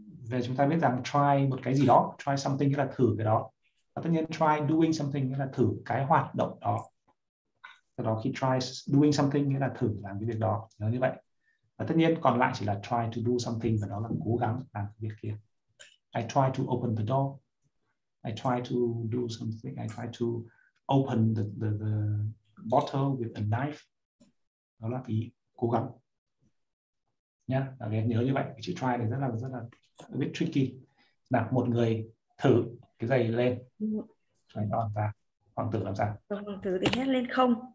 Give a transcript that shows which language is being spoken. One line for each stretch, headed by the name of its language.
Vietnamese: Về chúng ta biết rằng try một cái gì đó,
English: try something
Vietnamese: nghĩa là thử cái đó. Và tất nhiên
English: try doing something
Vietnamese: nghĩa là thử cái hoạt động đó. Sau đó khi try doing something nghĩa là thử làm cái việc đó, nhớ như vậy. Và tất nhiên còn lại chỉ là
English: try to do something,
Vietnamese: và đó là cố gắng làm cái việc kia.
English: I try to open the door. I try to do something. I try to open the bottle with a knife.
Vietnamese: Đó là ý cố gắng. Nhá, các em nhớ như vậy. Chữ try này rất là
English: a bit tricky.
Vietnamese: Nào, một người thử cái giày lên.
English: Try on
Vietnamese: ra. Hoàng tử làm sao? Hoàng tử thì hét lên không.